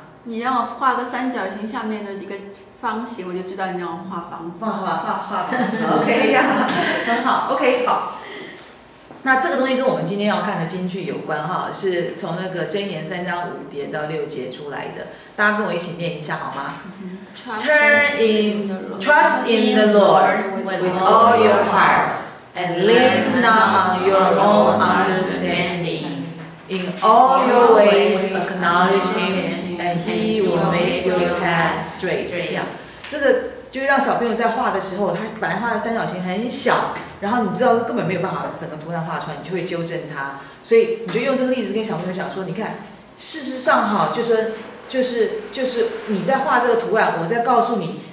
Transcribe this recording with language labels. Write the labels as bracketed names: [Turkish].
[Chinese] 你让我画个三角形下面的一个方形，我就知道你让我画房子。画房子，OK 呀，很好 ，OK 好。那这个东西跟我们今天要看的金句有关哈，是从那个箴言3:5-6出来的，大家跟我一起念一下好吗？ [English] Trust in the Lord with all your heart. And lean not on your own understanding. In all your ways acknowledge him, and he will make your path straight. [Chinese] 这个就让小朋友在画的时候，他本来画的三角形很小，然后你知道根本没有办法整个图上画出来，你就会纠正他。所以你就用这个例子跟小朋友讲说，你看，事实上哈，就是你在画这个图案，我在告诉你。